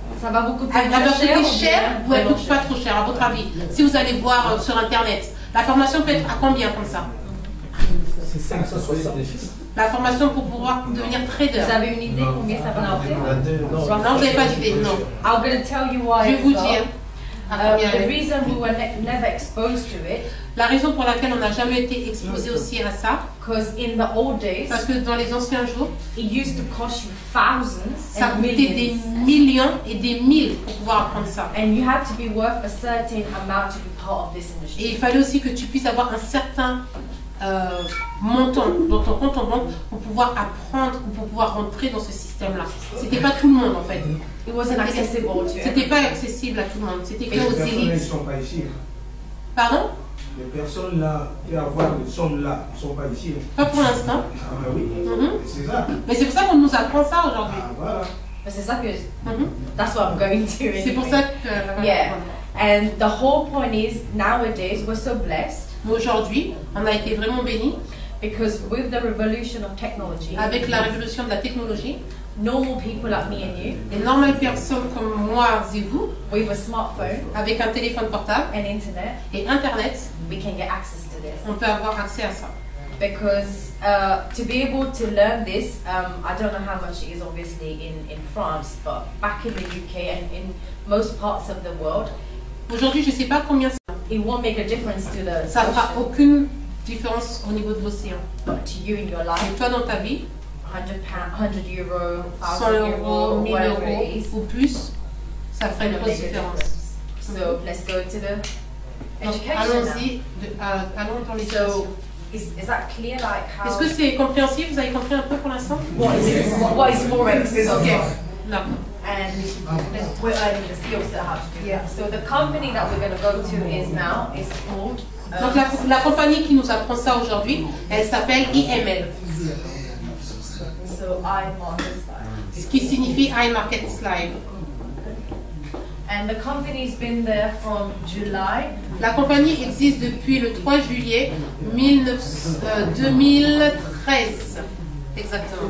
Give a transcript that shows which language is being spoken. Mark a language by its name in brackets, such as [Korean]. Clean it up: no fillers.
[French] Ça va vous coûter cher? Elle va coûter cher ou elle ne coûte pas trop cher, à votre avis? Si vous allez voir sur Internet, la formation peut être à combien comme ça? C'est 560. La formation pour pouvoir devenir trader. Vous avez une idée combien ça va coûter? Non, vous n'avez pas d'idée. Non. [English] I'm going to tell you why. [French] Je vais vous dire. [English] The reason we were never exposed to it. [French] La raison pour laquelle on n'a jamais été exposé aussi à ça. [English] Because in the old days. [French] Parce que dans les anciens jours. [English] It used to cost you thousands. [French] Ça coûtait des millions et des mille pour pouvoir apprendre ça. [English] And you had to be worth a certain amount to be part of this industry. [French] Et il fallait aussi que tu puisses avoir un certain montant dans ton compte en banque pour pouvoir apprendre ou pour pouvoir rentrer dans ce système là. C'était pas tout le monde en fait. [English] It wasn't accessible to you. [French] C'était pas accessible à tout le monde. C'était que aux élites. Les personnes ne sont pas ici. Pardon? Les personnes là et avoir ne sont là, ne sont pas ici. Pas pour l'instant. Ah ben oui. Mm-hmm. C'est ça. Mais c'est pour ça qu'on nous apprend ça aujourd'hui. Ah voilà. Mais c'est ça que. [English] That's what I'm going to. Anyway. [French] C'est pour ça que. [English] Yeah. And the whole point is nowadays we're so blessed. [French] Mais aujourd'hui, on a été vraiment bénis. [English] Because with the revolution of technology, [French] avec la révolution de la technologie, [English] normal people like me and you, [French] des normales personnes comme moi et vous, [English] with a smartphone, [French] avec un téléphone portable, [English] and internet, [French] et internet, [English] we can get access to this. [French] On peut avoir accès à ça. [English] Because to be able to learn this, I don't know how much it is obviously in France, but back in the UK and in most parts of the world. [French] Aujourd'hui, je sais pas combien. [English] It won't make a difference to the [French] ça fera aucune différence au niveau de l'océan. [English] But to you in your life. [French] Et toi dans ta vie. [English] 100 euros, [French] 1000 euros ou plus, ça fera une grosse différence. [English] So let's go to the education. [French] Allons-y, allons dans les [English] is that clear, like how? [French] Est-ce que c'est compréhensible? Vous avez compris un peu pour l'instant? [English] What is forex? Okay. No. And we're learning the skills that have to do. Yeah. So the company that we're going to go to is now is called. [French] Donc la compagnie qui nous apprend ça aujourd'hui, elle s'appelle IML. [English] So iMarket Live. [French] Ce qui signifie iMarket Live. [English] And the company's been there from July. [French] La compagnie existe depuis le 3 juillet 2013. Exactement.